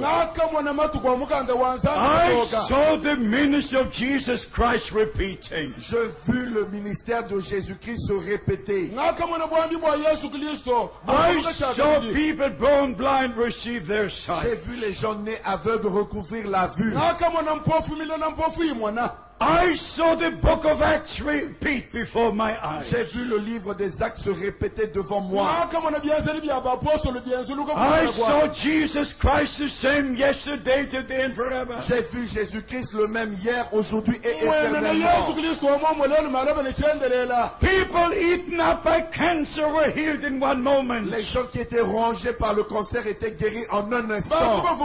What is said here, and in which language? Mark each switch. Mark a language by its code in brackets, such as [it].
[en] I saw the ministry of Jesus Christ repeating. [fr] Je vu le ministère de Jésus-Christ se répéter. [en] I saw people born blind receive their sight. [fr] J'ai vu les gens nés aveugles recouvrir la vue. [en] I saw the book of Acts repeat before my eyes. [fr] J'ai vu le livre des Actes se répéter devant moi. [en] I saw Jesus Christ the same yesterday, today and forever. [fr] J'ai vu Jésus-Christ le même hier, aujourd'hui et éternellement. [en] People eaten up by cancer were healed in one moment. [fr] Les gens qui étaient rongés par le cancer étaient guéris en un instant.